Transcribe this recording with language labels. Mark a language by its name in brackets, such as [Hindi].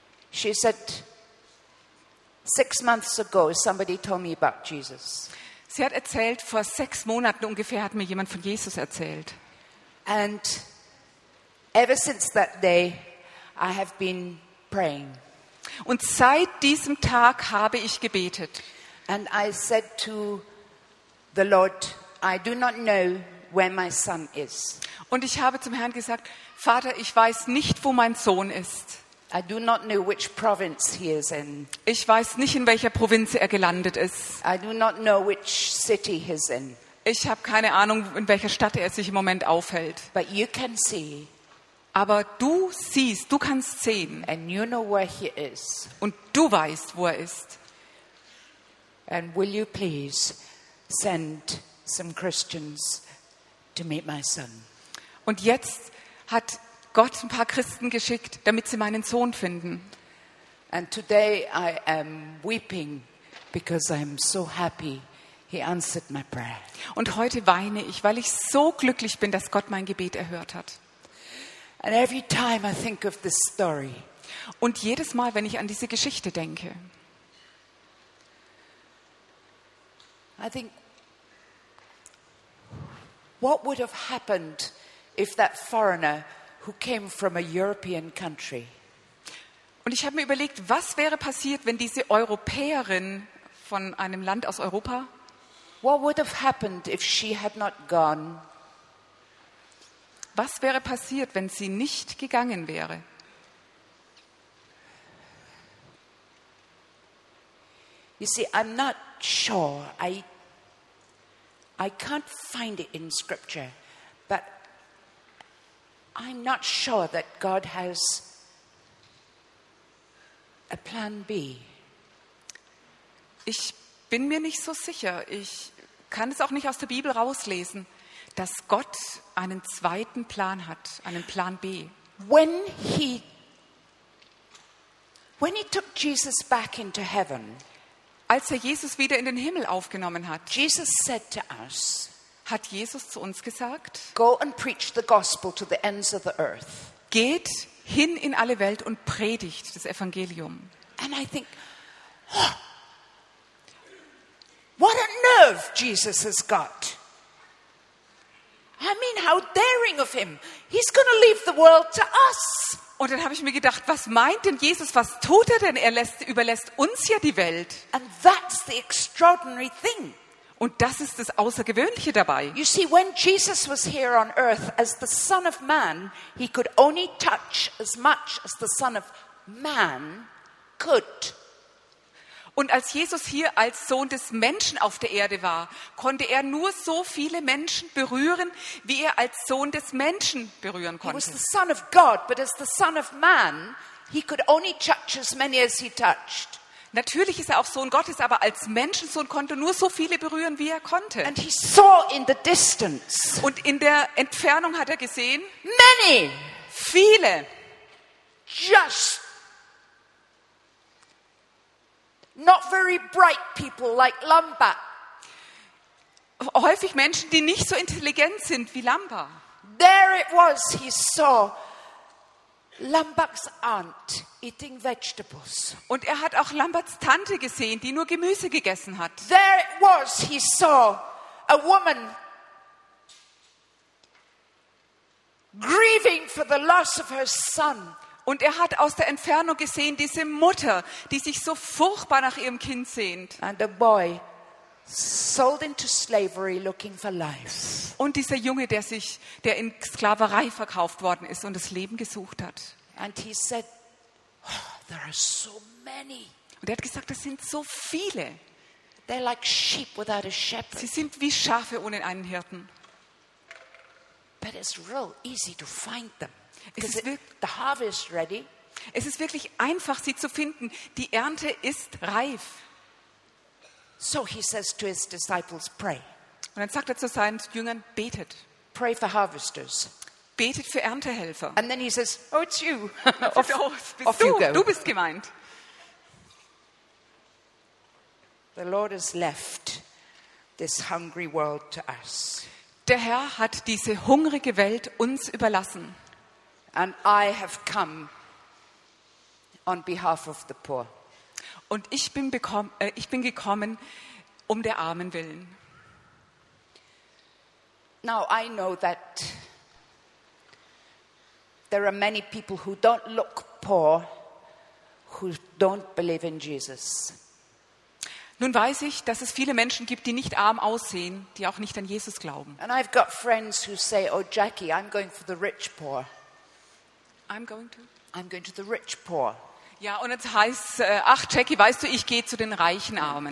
[English] She said, 6 months ago, somebody told me about Jesus. [German] Sie hat erzählt, vor 6 Monaten ungefähr hat mir jemand von Jesus erzählt. [English] And ever since that day, I have been praying. [German] Und seit diesem Tag habe ich gebetet. [English] And I said to the Lord, I do not know where my son is. [German] Und ich habe zum Herrn gesagt, Vater, ich weiß nicht, wo mein Sohn ist. [English] I do not know which province he is in. [German] Ich weiß nicht, in welcher Provinz er gelandet ist. [English] I do not know which city he is in. [German] Ich habe keine Ahnung, in welcher Stadt er sich im Moment aufhält. [English] But you can see. [German] Aber du siehst, du kannst sehen. [English] And you know where he is. [German] Und du weißt, wo er ist. [English] And will you please send some Christians to meet my son? [German] Und jetzt hat Gott ein paar Christen geschickt, damit sie meinen Sohn finden. [English] And today I am weeping because I'm so happy he answered my prayer. [German] Und heute weine ich, weil ich so glücklich bin, dass Gott mein Gebet erhört hat. [English] And every time I think of this story. [German] Und jedes Mal, wenn ich an diese Geschichte denke. [English] I think what would have happened if that foreigner who came from a European country. [German] Und ich habe mir überlegt, was wäre passiert, wenn diese Europäerin von einem Land aus Europa? [English] What would have happened if she had not gone? [German] Was wäre passiert, wenn sie nicht gegangen wäre? [English] You see, I'm not sure. I can't find it in scripture, but I'm not sure that God has a plan B. [German] Ich bin mir nicht so sicher. Ich kann es auch nicht aus der Bibel rauslesen, dass Gott einen zweiten Plan hat, einen Plan B. [English] When he took Jesus back into heaven, [German] als er Jesus wieder in den Himmel aufgenommen hat, [English] Jesus said to us, [German] hat Jesus zu uns gesagt, [English] go and preach the gospel to the ends of the earth. [German] Geht hin in alle Welt und predigt das Evangelium. [English] And I think, what a nerve Jesus has got. I mean, how daring of him. He's going to leave the world to us. [German] Und dann habe ich mir gedacht, was meint denn Jesus, was tut er denn? Überlässt uns ja die Welt. [English] And that's the extraordinary thing. [German] Und das ist das Außergewöhnliche dabei. [English] You see, when Jesus was here on earth as the Son of Man, he could only touch as much as the Son of Man could. [German] Und als Jesus hier als Sohn des Menschen auf der Erde war, konnte er nur so viele Menschen berühren, wie er als Sohn des Menschen berühren konnte. [English] He was the Son of God, but as the Son of Man, he could only touch as many as he touched. [German] Natürlich ist er auch Sohn Gottes, aber als Menschensohn konnte nur so viele berühren, wie er konnte. [English] And he saw in the distance. [German] Und in der Entfernung hat er gesehen, [English] many, [German] viele, [English] just not very bright people like Lamba. [German] Häufig Menschen, die nicht so intelligent sind wie Lamba. [English] There it was, he saw Lambas aunt eating vegetables. [German] Und er hat auch Lambas Tante gesehen, die nur Gemüse gegessen hat. [English] There it was, he saw a woman grieving for the loss of her son. [German] Und er hat aus der Entfernung gesehen diese Mutter, die sich so furchtbar nach ihrem Kind sehnt. [English] And a boy sold into slavery looking for life. [German] Und dieser Junge, der in Sklaverei verkauft worden ist und das Leben gesucht hat. [English] And he said, oh, there are so many. [German] Und er hat gesagt, es sind so viele. [English] They're like sheep without a shepherd. [German] Sie sind wie Schafe ohne einen Hirten. [English] But it's real easy to find them. The harvest ready. [German] Es ist wirklich einfach, sie zu finden. Die Ernte ist reif. [English] So he says to his disciples, pray. [German] Und dann sagt er zu seinen Jüngern, betet. [English] Pray for harvesters. [German] Betet für Erntehelfer. [English] And then he says, oh, it's you. [German] Du bist gemeint. [English] The Lord has left this hungry world to us. [German] Der Herr hat diese hungrige Welt uns überlassen. [English] And I have come on behalf of the poor. [German] Und ich bin gekommen um der Armen willen. [English] Now I know that there are many people who don't look poor, who don't believe in Jesus. [German] Nun weiß ich, dass es viele Menschen gibt, die nicht arm aussehen, die auch nicht an Jesus glauben. [English] And I've got friends who say, oh Jackie, I'm going for the rich poor. I'm going to the rich poor. [German] Ja, und es heißt, ach Jackie, weißt du, ich gehe zu den reichen Armen.